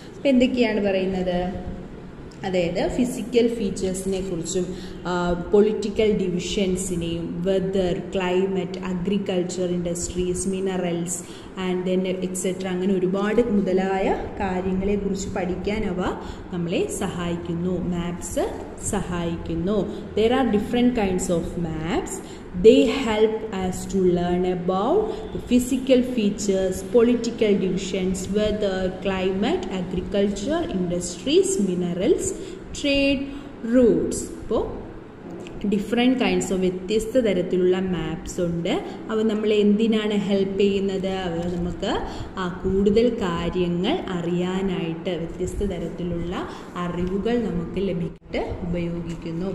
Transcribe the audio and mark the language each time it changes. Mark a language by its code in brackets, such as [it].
[ml] ഇപ്പം എന്തൊക്കെയാണ് പറയുന്നത്? അതായത് ഫിസിക്കൽ ഫീച്ചേഴ്സിനെ കുറിച്ചും political ഡിവിഷൻസിനെയും, whether, climate, agriculture, industries, minerals and then etcetera, അങ്ങനെ ഒരുപാട് മുതലായ കാര്യങ്ങളെക്കുറിച്ച് പഠിക്കാൻ അവ നമ്മളെ സഹായിക്കുന്നു, മാപ്സ് സഹായിക്കുന്നു. [en] There are different kinds of maps. They help us to learn about the physical features, political divisions, weather, climate, agriculture, industries, minerals, trade routes. [ml] അപ്പോൾ ഡിഫറെൻ്റ് കൈൻഡ്സ് ഓഫ് വ്യത്യസ്ത തരത്തിലുള്ള മാപ്സ് ഉണ്ട്. അവ നമ്മളെ എന്തിനാണ് ഹെൽപ്പ് ചെയ്യുന്നത്? അവ നമുക്ക് കൂടുതൽ കാര്യങ്ങൾ അറിയാനായിട്ട്, വ്യത്യസ്ത തരത്തിലുള്ള അറിവുകൾ നമുക്ക് ലഭിച്ചിട്ട് ഉപയോഗിക്കുന്നു.